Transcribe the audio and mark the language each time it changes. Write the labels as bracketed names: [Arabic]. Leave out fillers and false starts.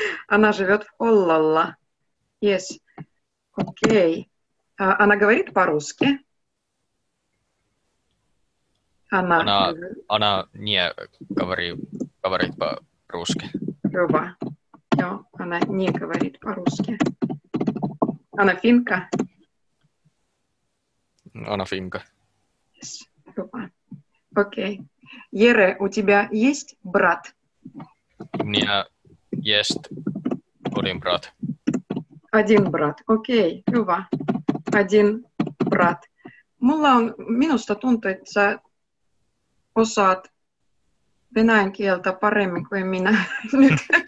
[Russian] Anna живёт Ollolla. [English] Yes. Okei. [Russian] Anna говорит по-русски? Anna не говорит по-русски. [Finnish] Hyvä. [Russian] Joo, Anna не говорит по-русски. Anna finka? Anna finka. [English] Yes. [Finnish] Hyvä. [English] Okei. Okay. [Russian] Jere, у тебя есть брат? Minä есть один брат. Один брат. Окей. Okay. Hyvä. Один брат. [Finnish] Mulla on, minusta tuntuu, että sä osaat venäjän kieltä paremmin kuin minä nyt.